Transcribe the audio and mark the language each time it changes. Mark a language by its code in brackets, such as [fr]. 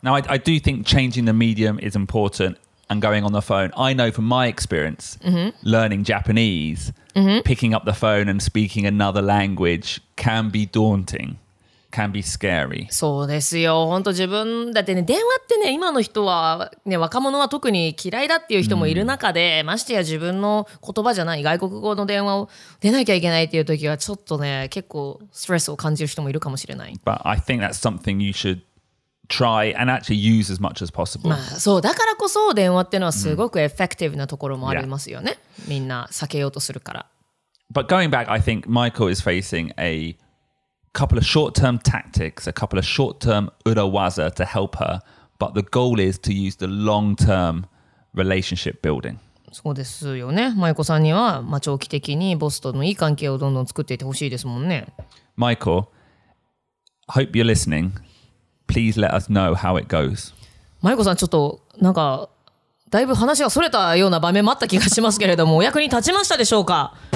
[en] Now, I do think changing the medium is important and going on the phone. I know from my experience,、 mm-hmm. learning Japanese,、 mm-hmm. picking up the phone and speaking another language can be daunting. Can be scary. [ja] そうですよ。本当自分だってね、電話ってね、今の人はね、若者は特に嫌いだっていう人もいる中で、mm. ましてや自分の言葉じゃない外国語の電話を出なきゃいけないっていう時はちょっとね、結構ストレスを感じる人もいるかもしれない。 [en] But I think that's something you should try and actually use as much as possible. [ja] まあそうだからこそ電話っていうのはすごくエフェクティブなところもありますよね。 [en] Yeah. [ja] みんな避けようとするから。 [en] But going back, I think Michael is facing a couple of short-term tactics, a couple of short-term urawaza to help her, but the goal is to use the long-term relationship building. [ja] そうですよね。マイコさんには、まあ、長期的にボスとのいい関係をどんどん作っていてほしいですもんね。 [en] Michael, hope you're listening. Please let us know how it goes. [ja] マイコさん、ちょっとなんかだいぶ話がそれたような場面もあった気がしますけれども、お役に立ちましたでしょうか？